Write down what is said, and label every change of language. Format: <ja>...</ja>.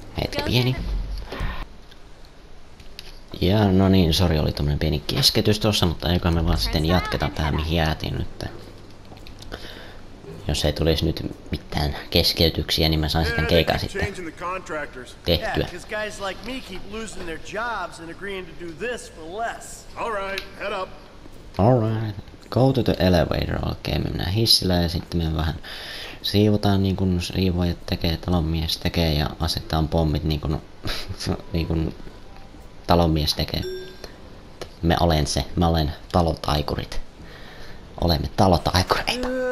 <fi>Hetki pieni. Ja no niin, sori, oli tommonen pieni keskeytys tossa, mutta eiköhän me vaan sitten jatketa tähän mihin jäätiin nyt. Jos ei tulisi nyt mitään keskeytyksiä, niin mä saan sitten keikaa sitten tehtyä.</fi> <en>Yeah, guys like me keep losing their jobs and agreeing to do this for less. All right, head up. All right. Go to the elevator.</en> <fi>Okei, me mennään hissillä ja sitten me vähän siivotaan niin kuin siivoajat tekee, talonmies tekee ja asetetaan pommit niin kuin, niin kuin talonmies tekee. Me olen se. Mä olen talotaikurit. Olemme talotaikureita.</fi>